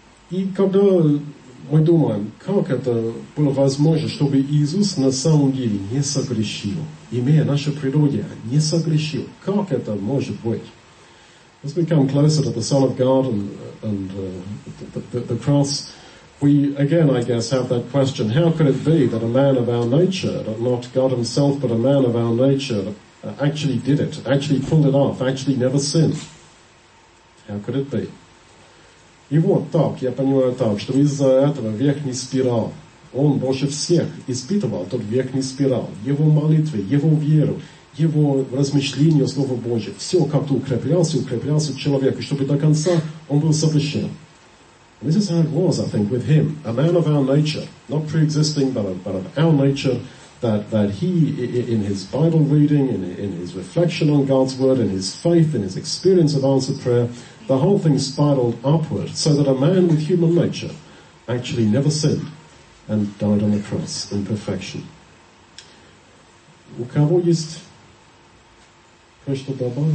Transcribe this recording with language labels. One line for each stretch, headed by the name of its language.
Russian: И когда мы думаем, как это было возможно, чтобы Иисус на самом деле не согрешил, имея наше природе, не согрешил, как это может быть?
English: As we come closer to the Son of God and the cross, we again, I guess, have that question, how could it be that a man of our nature, not God himself, but a man of our nature, actually did it, actually pulled it off, actually never sinned? How could it be?
Russian: И вот так, я понимаю так, что из-за этого верхней спирали, он больше всех испытывал тот верхний спираль, его молитвы, его веру, его размышления о Слове Божьем, все как-то укреплялся человек, и чтобы до конца он был совершен.
English: This is how it was, I think, with him, a man of our nature, not pre-existing, but of our nature, that he, in his Bible reading, in his reflection on God's word, in his faith, in his experience of answered prayer, the whole thing spiraled upward so that a man with human nature actually never sinned and died on the cross in perfection.
Russian: У кого есть кое-что добавить?